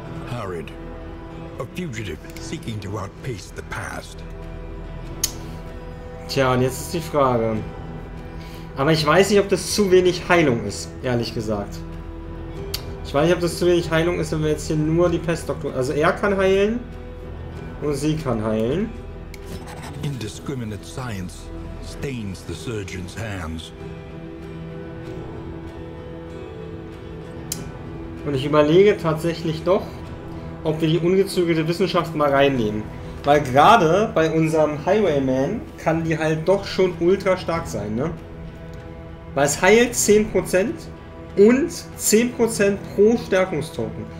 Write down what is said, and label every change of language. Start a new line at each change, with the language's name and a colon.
English: Harrod, a fugitive seeking to outpace the past.
German: Tja, und jetzt ist die Frage. Aber ich weiß nicht, ob das zu wenig Heilung ist, ehrlich gesagt. Ich weiß nicht, ob das zu wenig Heilung ist, wenn wir jetzt hier nur die Pestdoktor... Also er kann heilen und sie kann heilen.
English: Indiscriminate science stains the surgeon's hands.
German: Und ich überlege tatsächlich doch, ob wir die ungezügelte Wissenschaft mal reinnehmen. Weil gerade bei unserem Highwayman kann die halt doch schon ultra stark sein, ne? Weil es heilt 10% und 10% pro Stärkungstoken.